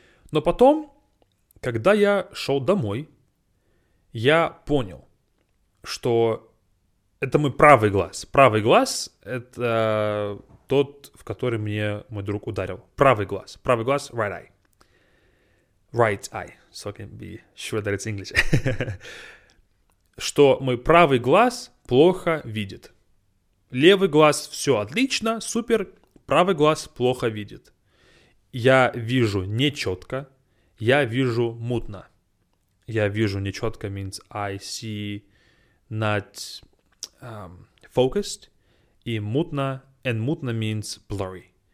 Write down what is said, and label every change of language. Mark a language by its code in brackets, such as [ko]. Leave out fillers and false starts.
[ru] Но потом, когда я шел домой, я понял, что это мой правый глаз. Правый глаз — это тот, в который мне мой друг ударил. Правый глаз — [en] right eye. Right eye, so I can be sure that it's English. [ru] Что мой правый глаз плохо видит. Левый глаз — все отлично, супер, правый глаз плохо видит. Я вижу нечетко, я вижу мутно. Я вижу нечетко [en] means I see... not focused, [ru] и мутно, [en] and [ru] мутно [en] means blurry.